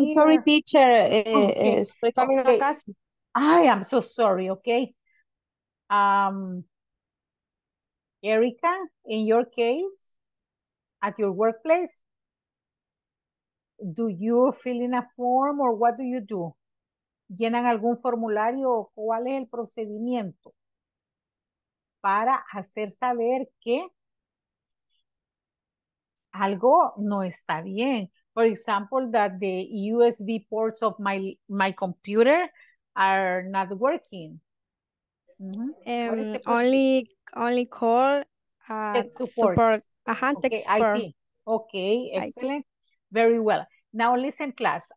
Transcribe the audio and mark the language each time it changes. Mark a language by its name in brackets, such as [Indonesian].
[English] I'm sorry, teacher. [Spanish] Estoy [English] coming [Spanish] a casa. [English] I am so sorry, okay. Erica, in your case, at your workplace, do you fill in a form or what do you do? [Spanish] ¿Llenan algún formulario o cuál es el procedimiento para hacer saber que algo no está bien? [English] For example, that the USB ports of my computer are not working. Only call tech support. Okay, IT. Okay, excellent. Very well. Now listen, class.